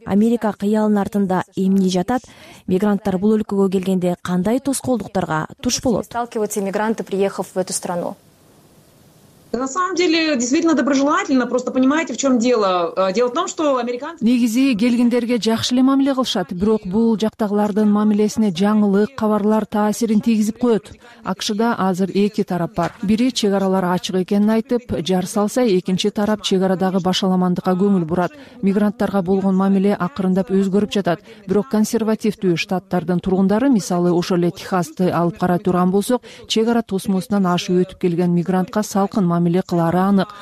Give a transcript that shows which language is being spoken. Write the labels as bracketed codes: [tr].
[ky] Америка кыялынын артында эмне жатат? Мигранттар бул өлкөгө келгенде кандай тоскоолдуктарга туш болот? [ru] Сталкиваются мигранты, приехав в эту страну? На самом деле, действительно доброжелательно, просто понимаете, в чём дело? Дело в том, что американцы [ky] негизи келгендерге жакшы эле мамиле кылышат, бирок бул жактагылардын мамилесине жаңылык, каварлар таасирин тийгизип коёт. АКШда азыр эки тарап бар. Бири чек аралар ачык экенин айтып, жар салса, экинчи тарап чек арадагы башаламандыкка көңүл бурат. Мигранттарга болгон мамиле акырындап өзгөрүп жатат. Бирок консервативдүү штаттардын тургундары, мисалы, ошол эле Техасты алып кара турган болсок, чек ара тосмосунан ашып өтүп келген мигрантка салкын мамиле кылары анык.